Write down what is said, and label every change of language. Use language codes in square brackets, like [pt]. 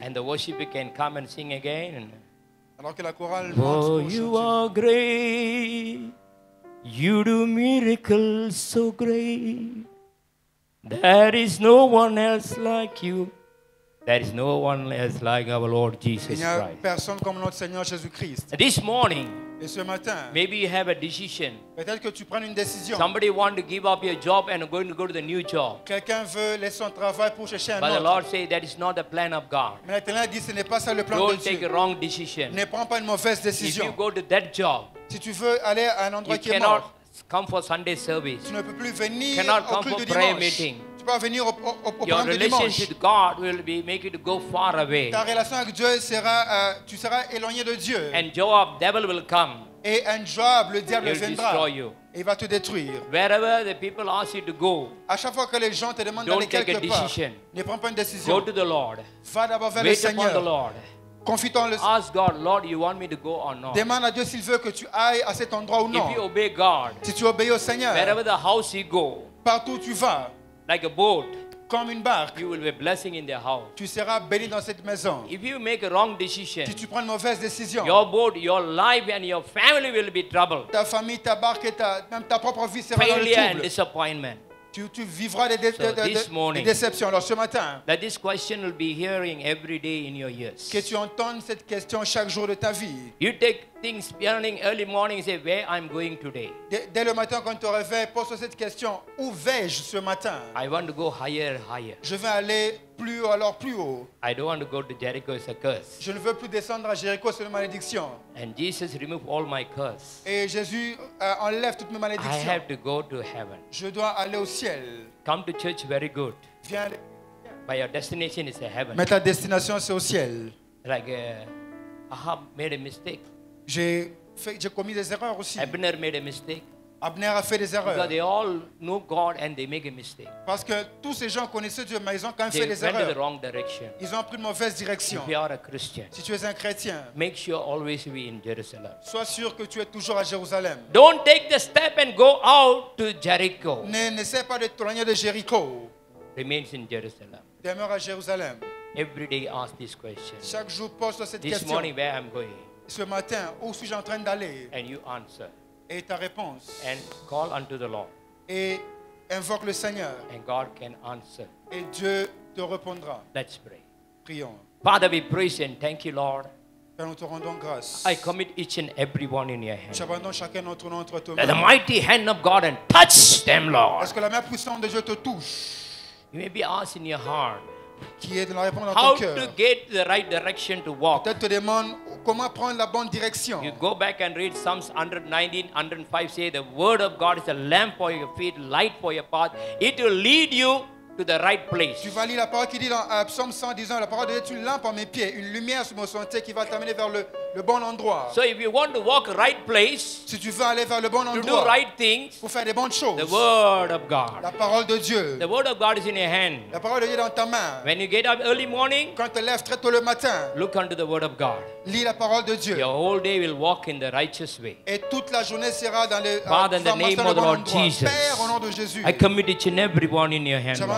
[en] And the worshiper can come and sing again. [fr] Alors que la chorale [en] oh, monte. Oh, you chanter. Are great. You do miracles so great. There is no one else like you. There is no one else like our Lord Jesus Christ. [fr] Il n'y a personne comme notre Seigneur Jésus Christ. [en] This morning, [fr] Et ce matin, [en] maybe you have a decision. [fr] Peut-être que tu prends une décision. [en] Somebody want to give up your job and going to go to the new job. [fr] Quelqu'un veut laisser son travail pour chercher un [en] But [fr] autre. [en] The Lord says that is not the plan of God. [fr] Mais l'Éternel dit ce n'est pas ça le plan [en] Don't [fr] de Dieu. [en] Don't take a wrong decision. [fr] Ne prends pas une mauvaise décision. [en] If you go to that job, [fr] si tu veux aller à un endroit qui est mort, [en] you cannot come for Sunday service. [fr] Tu ne peux plus venir [en] cannot [fr] au culte [en] for prayer [fr] dimanche. [en] Meeting. [fr] Pas venir au [en] Your relationship with God will be make you go far away. [fr] Ta relation avec Dieu sera, tu seras éloigné de Dieu. [en] And Joab, devil will come. [fr] Et un Joab, le diable viendra. [en] Destroy you. [fr] Et va te détruire. [en] Wherever the people ask you to go. [fr] À chaque fois que les gens te demandent d'aller quelque part. [en] Don't take a decision. [fr] Ne prends pas une décision. [en] Go to the Lord. [fr] Va d'abord vers [en] Wait [fr] le Seigneur. [en] Upon the Lord. [fr] Confie-toi. [en] Ask God, Lord, you want me to go or not? [fr] Demande à Dieu s'il veut que tu ailles à cet endroit ou non. [en] If you obey God. [fr] Si tu obéis au Seigneur. [en] Wherever the house you go. [fr] Partout où tu vas. [en] Like a boat, [fr] comme une barque, [en] you will be blessing in their house. [fr] Tu seras béni dans cette maison. [en] If you make a wrong decision, [fr] si tu prends une mauvaise décision, [en] your boat, your life, and your family will be troubled. [fr] Ta famille, ta barque, et même ta propre vie sera [en] Failure [fr] dans le trouble. [en] And disappointment. [fr] Tu vivras des déceptions. Alors ce matin, [en] that this question will be hearing every day in your ears. [fr] Que tu entends cette question chaque jour de ta vie. [en] You take things beginning early morning and say where I'm going today. [fr] Dès le matin quand tu te réveilles, pose-toi cette question où vais-je ce matin? [en] I want to go higher and higher. [fr] Je veux aller plus haut, alors plus haut. [en] I don't want to go to Jericho, it's a curse. [fr] Je ne veux plus descendre à Jéricho, c'est une malédiction. [en] And Jesus removed all my curse. [fr] Et Jésus enlève toutes mes malédictions. [en] I have to go to heaven. [fr] Je dois aller au ciel. [en] Come to church, very good. [fr] Viens. [en] But your destination is heaven. [fr] Mais ta destination c'est au ciel. [en] Like Ahab made a mistake. [fr] J'ai commis des erreurs aussi. [en] Abner made a mistake. [fr] Abner a fait des erreurs. [en] Because they all know God and they make a mistake. [fr] Parce que tous ces gens connaissaient Dieu, mais ils ont quand même [en] they [fr] fait des [en] went [fr] erreurs. [en] In the wrong direction. [fr] Ils ont pris une mauvaise direction. [en] If you are a Christian, [fr] si tu es un chrétien, [en] make sure always be in Jerusalem. [fr] Sois sûr que tu es toujours à Jérusalem. [en] Don't take the step and go out to Jericho. [fr] N'essaie pas de tourner de Jéricho. [en] Remain in Jerusalem. [fr] Demeure à Jérusalem. [en] Every day ask this question. [fr] Chaque jour pose cette [en] this [fr] question. [en] This morning where I'm going. [fr] Ce matin, où suis-je en train d'aller? [en] And you answer. [fr] Et ta réponse. [en] And call unto the Lord. [fr] Et invoque le Seigneur. [en] And God can answer. [fr] Et Dieu te répondra. [en] Let's pray. [fr] Prions. [en] Father, we praise and thank you, Lord. [fr] Père, nous te rendons grâce. [en] I commit each and every one in your hand. [fr] J'abandonne chacun d'entre nous entre tes mains. [en] The mighty hand of God and touch them, Lord. [fr] Est-ce que la main puissante de Dieu te touche? [en] You may be asked in your heart. [fr] Qui est de la réponse [en] How [fr] dans ton cœur? [en] How to get the right direction to walk? [fr] Peut-être te demande comment prendre la bonne direction. [en] You go back and read Psalms 119, 105. Say the word of God is a lamp for your feet, light for your path. It will lead you to the right place. [fr] Tu vas lire la parole qui dit dans Psalm 119, la parole de Dieu est une lampe à mes pieds, une lumière sur mon sentier qui va t'amener vers le bon endroit. [en] So if you want to walk right place, [fr] si tu veux aller vers le bon [en] to [fr] endroit, [en] do right things, [fr] pour faire des bonnes choses, [en] the word of God, [fr] la parole de Dieu, [en] the word of God is in your hand, [fr] la parole de Dieu est dans ta main. [en] When you get up early morning, [fr] quand tu te lèves très tôt le matin, [en] look unto the word of God, [fr] lis la parole de Dieu, [en] your whole day will walk in the righteous way, [fr] et toute la journée sera dans le [en] Father, in the name of the Lord Jesus, [fr] Père, au nom de Jésus, [en] I commit each and every one in your hand,